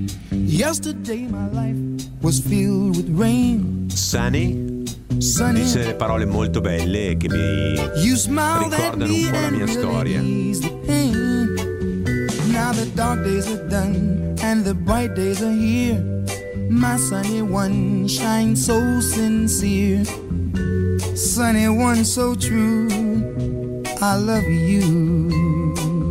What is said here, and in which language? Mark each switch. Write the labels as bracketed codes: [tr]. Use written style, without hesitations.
[en] Yesterday my life was filled with rain. Sunny. Sunny. [it] Dice delle parole molto belle che mi ricordano un po' la mia storia. [en] Now the dark days are done and the bright days are here. My sunny one shines so sincere. Sunny one so true. I love you.